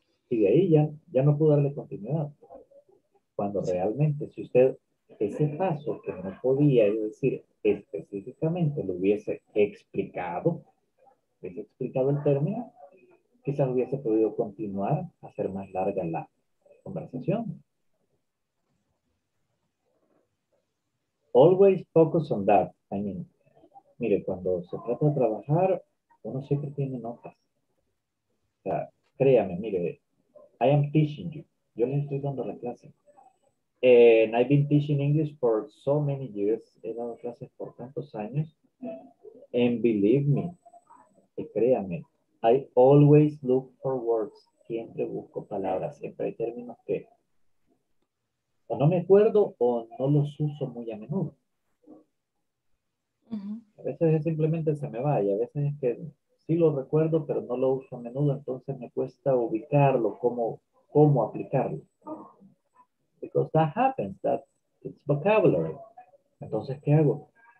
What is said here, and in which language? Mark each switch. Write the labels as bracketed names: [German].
[Spanish] Y de ahí ya no pudo darle continuidad. Cuando realmente, si usted ese paso que no podía decir específicamente lo hubiese explicado, el término, quizás hubiese podido continuar, hacer más larga la conversación. [English] Always focus on that. I mean, [Spanish] mire, cuando se trata de trabajar, uno siempre tiene notas. O sea, créame, mire, [English] I am teaching you. [Spanish] Yo le estoy dando la clase. [English] And I've been teaching English for so many years. [Spanish] He dado clases por tantos años. [English] And believe me, [Spanish] y créame, [English] I always look for words. [Spanish] Siempre busco palabras. Siempre hay términos que o no me acuerdo o no los uso muy a menudo. Uh-huh. A veces simplemente se me va y a veces es que sí lo recuerdo, pero no lo uso a menudo. Entonces me cuesta ubicarlo, cómo aplicarlo. [English] Because that happens. That it's vocabulary. [Spanish] Entonces, ¿qué hago?